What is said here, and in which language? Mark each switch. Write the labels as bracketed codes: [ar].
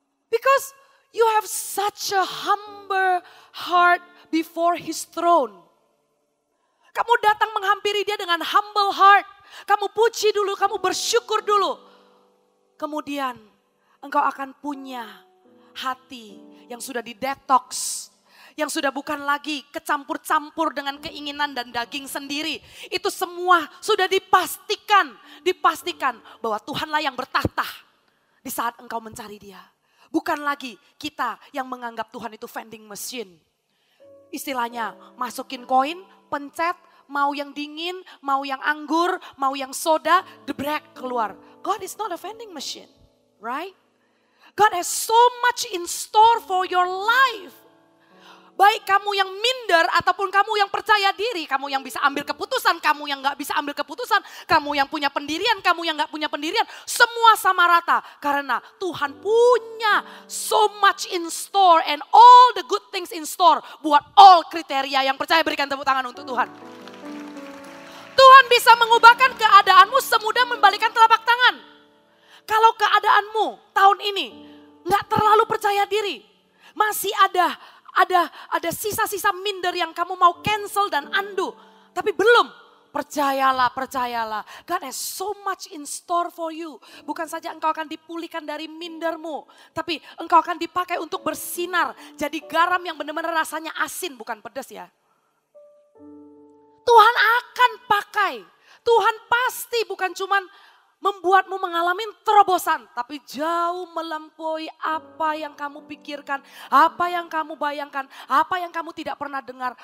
[en] Because you have such a humble heart before his throne. [id] Kamu datang menghampiri dia dengan humble heart. Kamu puji dulu, kamu bersyukur dulu. Kemudian engkau akan punya hati yang sudah didetox. Yang sudah bukan lagi kecampur-campur dengan keinginan dan daging sendiri. Itu semua sudah dipastikan. Dipastikan bahwa Tuhanlah yang bertahta di saat engkau mencari dia. Bukan lagi kita yang menganggap Tuhan itu vending machine. Istilahnya masukin koin, pencet, mau yang dingin, mau yang anggur, mau yang soda, debrek keluar. [en] God is not a vending machine, right? God has so much in store for your life. [id] Baik kamu yang minder ataupun kamu yang percaya diri, kamu yang bisa ambil keputusan, kamu yang gak bisa ambil keputusan, kamu yang punya pendirian, kamu yang gak punya pendirian, semua sama rata. Karena Tuhan punya [en] so much in store [id] and all the good things in store buat all kriteria yang percaya, berikan tepuk tangan untuk Tuhan. Tuhan bisa mengubahkan keadaanmu semudah membalikkan telapak tangan. Kalau keadaanmu tahun ini gak terlalu percaya diri, masih ada sisa-sisa minder yang kamu mau cancel dan undo. Tapi belum. Percayalah, percayalah. [en] God has so much in store for you. [id] Bukan saja engkau akan dipulihkan dari mindermu. Tapi engkau akan dipakai untuk bersinar. Jadi garam yang benar-benar rasanya asin, bukan pedas ya. Tuhan akan pakai. Tuhan pasti bukan cuma membuatmu mengalami terobosan, tapi jauh melampaui apa yang kamu pikirkan, apa yang kamu bayangkan, apa yang kamu tidak pernah dengar.